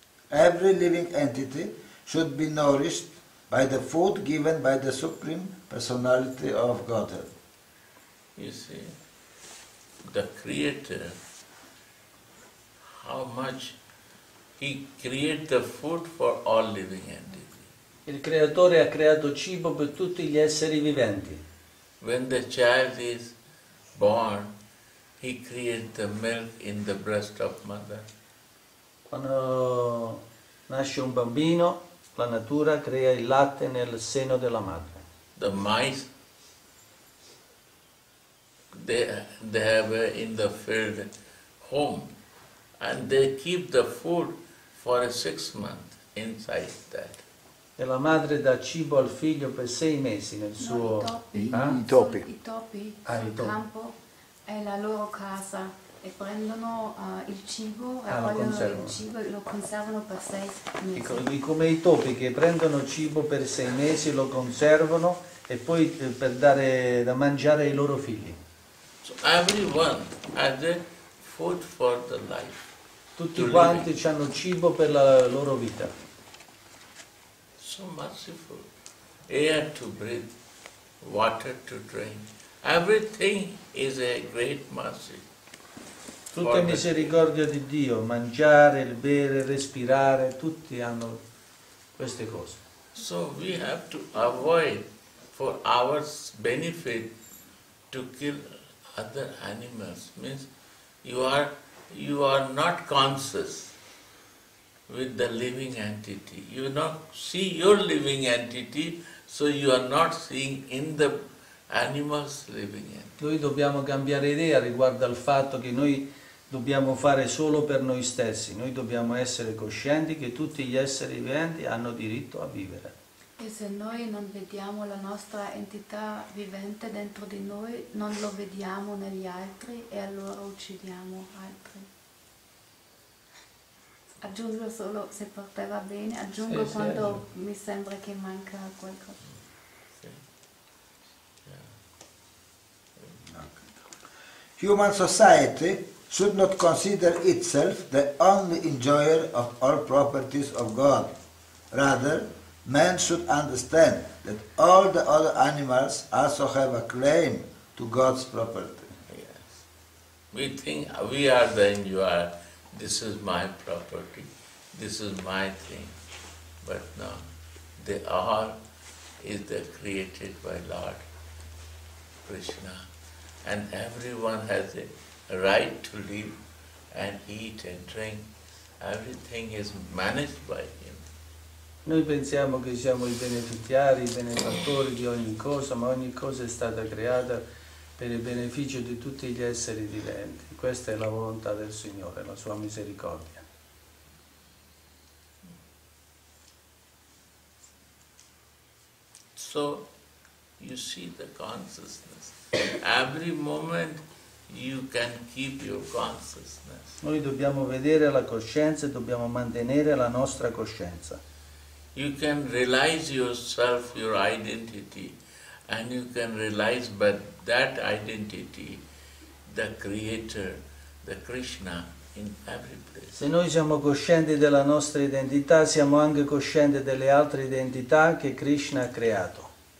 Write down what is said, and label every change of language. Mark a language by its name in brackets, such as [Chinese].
[English] Every living entity should be nourished by the food given by the Supreme Personality of Godhead. You see, the Creator, how much He created the food for all living entity. [Italian] Il creatore ha creato cibo per tutti gli esseri viventi. [English] When the child is born, he creates the milk in the breast of mother. [Italian] Quando nasce un bambino, la natura crea il latte nel seno della madre. [English] The mice, they have in the field home, and they keep the food for 6 months inside that. [Italian] E la madre dà cibo al figlio per 6 mesi nel suo... I topi. I topi sul campo, è la loro casa, e prendono il cibo e Conservano il cibo e lo conservano per 6 mesi. Dico, come i topi che prendono cibo per 6 mesi, lo conservano e poi per dare da mangiare ai loro figli. [English] So everyone has a food for the life. [Italian] Tutti quanti hanno cibo per la loro vita. [English] So merciful, air to breathe, water to drink, everything is a great mercy. [Italian] Tutta misericordia di Dio, mangiare, bere, respirare, tutti hanno queste cose. [English] So we have to avoid for our benefit to kill other animals. Means you are not conscious with the living entity. You not see your living entity, so you are not seeing in the animals living entity. [Italian] Noi dobbiamo cambiare idea riguardo al fatto che noi dobbiamo fare solo per noi stessi. Noi dobbiamo essere coscienti che tutti gli esseri viventi hanno diritto a vivere. E se noi non vediamo la nostra entità vivente dentro di noi, non lo vediamo negli altri e allora uccidiamo altri. Aggiungo solo se porteva bene, aggiungo quando mi sembra che manca qualcosa. [English] Human society should not consider itself the only enjoyer of all properties of God. Rather, man should understand that all the other animals also have a claim to God's property. Yes. We think we are the enjoyer. This is my property. This is my thing. But no, they all is created by Lord Krishna. And everyone has a right to live and eat and drink. Everything is managed by him. [Italian] Noi pensiamo che siamo i beneficiari, i benefattori di ogni cosa, ma ogni cosa è stata creata per il beneficio di tutti gli esseri viventi. Questa è la volontà del Signore, la sua misericordia. [English] So you see the consciousness. Every moment you can keep your consciousness. [Italian] Noi dobbiamo vedere la coscienza e dobbiamo mantenere la nostra coscienza. [English] You can realize yourself, your identity, and you can realize by that identity the Creator, the Krishna, in every place. [Italian] Se noi siamo coscienti della nostra identità, siamo anche coscienti delle altre identità che Krishna ha creato.